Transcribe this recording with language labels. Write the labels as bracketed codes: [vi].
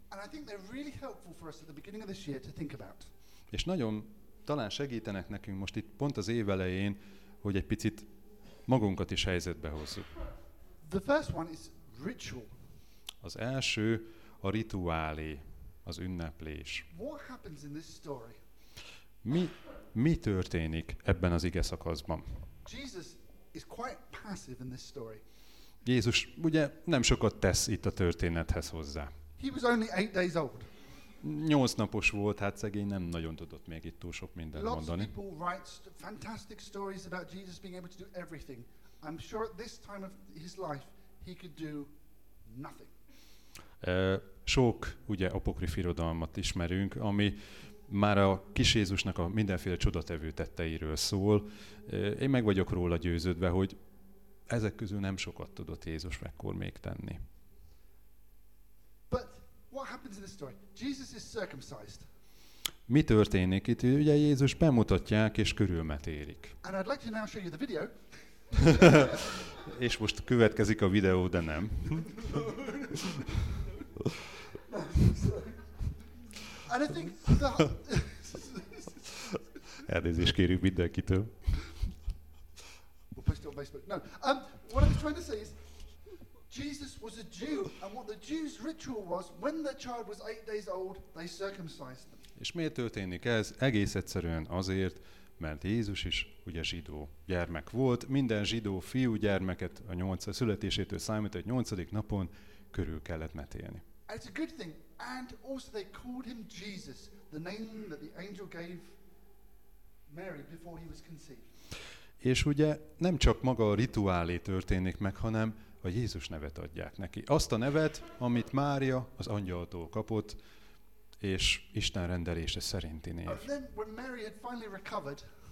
[en] And I think they're really helpful for us at the beginning of this year to think about. [hu] És nagyon talán segítenek nekünk most itt pont az év elején, hogy egy picit magunkat is helyzetbe hozzuk. [en] The first one is ritual. [hu] Az első a rituálé, az ünneplés. [en] What happens in this story? [hu] Mi történik ebben az igeszakaszban? [en] Jesus is quite passive in this story. [hu] Jézus ugye nem sokat tesz itt a történethez hozzá. [en] He was only 8 days old. [hu] 8 napos volt, hát szegény nem nagyon tudott még itt túl sok mindent mondani. [en] Lots of people write fantastic stories about Jesus being able to do everything. I'm sure at this time of his life he could do nothing. [hu] Sok ugye apokrif irodalmat ismerünk, ami már a kis Jézusnak a mindenféle csodatevő tetteiről szól. Én meg vagyok róla győződve, hogy ezek közül nem sokat tudott Jézus mekkor még tenni. [en] But what happens in this story? Jesus is circumcised. [hu] Mi történik itt? Ugye Jézus bemutatják és körülmetérik. [en] And I'd like to now show you the video. [hu] És most következik a videó, de nem. [en] And I think [hu] elnézést kérjük mindenkitől. [en] We'll post it on Facebook. No. What I was trying to say is Jesus was a Jew, and what the Jews' ritual was, when their child was 8 days old, they circumcised them. [hu] És miért történik ez? Egész egyszerűen azért, mert Jézus is ugye zsidó gyermek volt. Minden zsidó fiú gyermeket a 8. születésétől számít, egy 8. napon körül kellett metélni. [en] And it's a good thing. And also they called him Jesus, the name that the angel gave Mary before he was conceived. [hu] És ugye nem csak maga a rituálé történik meg, hanem a Jézus nevet adják neki. Azt a nevet, amit Mária az angyaltól kapott, és Isten rendelése szerinti név. [en] And then when Mary had finally recovered,